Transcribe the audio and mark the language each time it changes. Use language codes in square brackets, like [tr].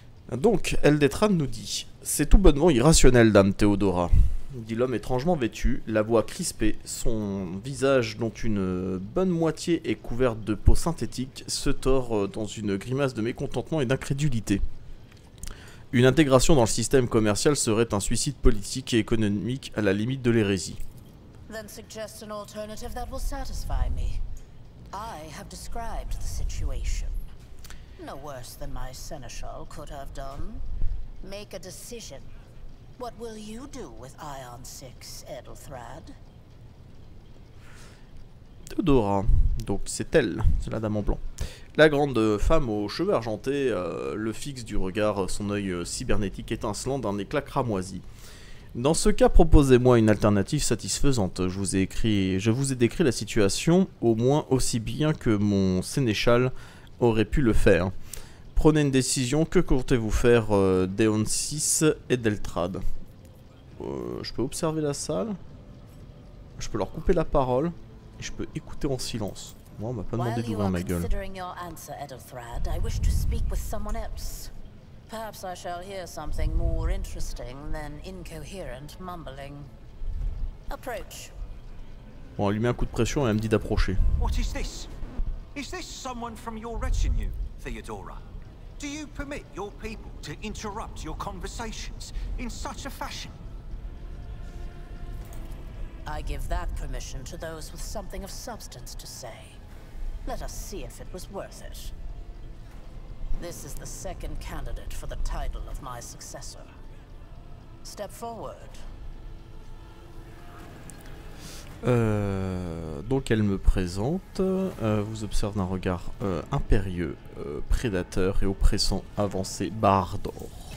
[fr] Donc, Eldetran nous dit « C'est tout bonnement irrationnel, dame Théodora. » dit l'homme étrangement vêtu, la voix crispée, son visage dont une bonne moitié est couverte de peau synthétique, se tord dans une grimace de mécontentement et d'incrédulité. Une intégration dans le système commercial serait un suicide politique et économique à la limite de l'hérésie. [en] Then suggest an alternative that will satisfy me. I have described the situation. No worse than my seneschal could have done. Make a decision. What will you do with Ion 6, Edelthrad? [fr] Théodora, donc c'est elle, c'est la dame en blanc. La grande femme aux cheveux argentés le fixe du regard, son œil cybernétique étincelant d'un éclat cramoisi. Dans ce cas, proposez-moi une alternative satisfaisante. Je vous ai décrit la situation au moins aussi bien que mon sénéchal aurait pu le faire. Prenez une décision, que comptez-vous faire d'Eon 6 et d'Eltrad? Je peux observer la salle. Je peux leur couper la parole. Et je peux écouter en silence. Moi, on m'a pas demandé d'ouvrir ma gueule. [en] Considering your answer, Edelthrad, I wish to speak with someone else. Perhaps I shall hear something more interesting than incoherent mumbling. Approach. [fr] Bon, elle lui met un coup de pression et elle me dit d'approcher. [en] What is this? Is this someone from your retinue, Theodora? Do you permit your people to interrupt your conversations in such a fashion? I give that permission to those with something of substance to say. Let us see if it was worth it. This is the second candidate for the title of my successor. Step forward. [fr] Donc elle me présente, vous observe d'un regard impérieux, prédateur et oppressant, avancé, Bardor.